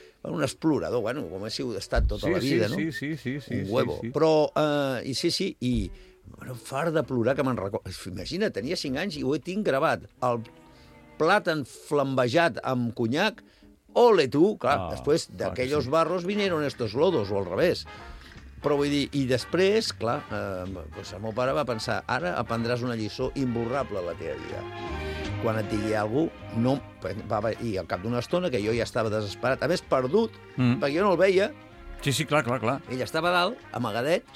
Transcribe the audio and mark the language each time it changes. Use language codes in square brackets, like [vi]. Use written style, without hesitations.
[ca] un explorador, bueno, com si ho ha estat tota sí, la vida, sí, no? Sí, sí, sí, sí. [es] Un huevo. [ca] Sí, sí. Però, i sí, sí, i bueno, far de plorar, que me'n recordo. Imagina, tenia 5 anys i ho tinc gravat. El plàtan flambejat amb conyac, ole tu, clar, ah, després d'aquells sí. [es] barros vineron estos lodos, o al revés. [ca] Però vull dir, i després, clar, pues el meu pare va pensar, ara aprendràs una lliçó imborrable a la teva vida. Quan et digui algú, no... I al cap d'una estona, que jo ja estava desesperat, a més perdut, perquè jo no el veia... Sí, sí, clar, clar, clar. Ell estava dalt, amagadet,